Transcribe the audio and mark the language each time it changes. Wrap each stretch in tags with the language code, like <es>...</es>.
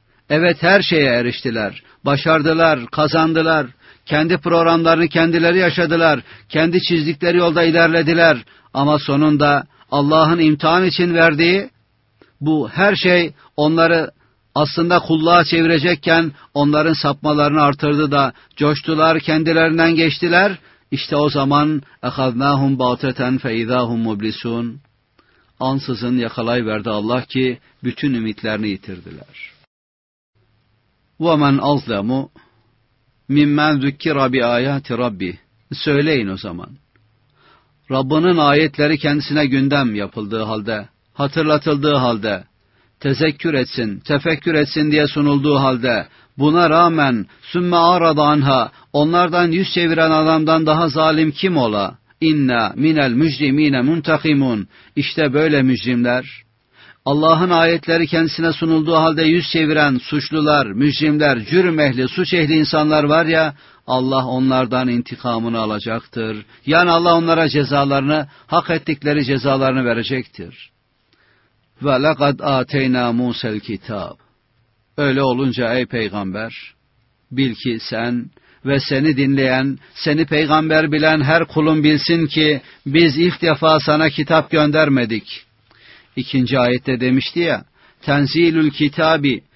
<tr>Evet, her şeye eriştiler, başardılar, kazandılar, kendi programlarını kendileri yaşadılar, kendi çizdikleri yolda ilerlediler, ama sonunda Allah'ın imtihan için verdiği bu her şey onları aslında kulluğa çevirecekken onların sapmalarını artırdı da coştular, kendilerinden geçtiler. İşte o zaman</tr> <ar>اَخَذْنَاهُمْ بَعْتَةً فَاِذَاهُمْ مُبْلِسُونَ</ar> <tr>Ansızın yakalayıverdi Allah ki bütün ümitlerini yitirdiler.</tr> <ar>وَمَنْ أَظْلَمُ مِمَّنْ ذُكِّرَ بِآيَاتِ رَبِّهِ</ar> <tr>Söyleyin o zaman. Rabbinin ayetleri kendisine gündem yapıldığı halde, hatırlatıldığı halde, tezekkür etsin, tefekkür etsin diye sunulduğu halde, buna rağmen</tr> <ar>سُمَّ عَرَضَ عَنْهَا</ar> <tr>Onlardan yüz çeviren adamdan daha zalim kim ola?</tr> <ar>اِنَّا مِنَ الْمُجْرِم۪ينَ مُنْتَقِمُونَ</ar> <tr>İşte böyle mücrimler. Allah'ın ayetleri kendisine sunulduğu halde yüz çeviren suçlular, mücrimler, cürüm ehli, suç ehli insanlar var ya, Allah onlardan intikamını alacaktır. Yani Allah onlara cezalarını, hak ettikleri cezalarını verecektir.</tr> <ar>وَلَقَدْ اَتَيْنَا مُوسَ الْكِتَابِ</ar> <tr>Öyle olunca ey peygamber, bil ki sen ve seni dinleyen, seni peygamber bilen her kulun bilsin ki, biz ilk defa sana kitap göndermedik. İkinci ayette demişti ya, tenzilül kitabi,</tr>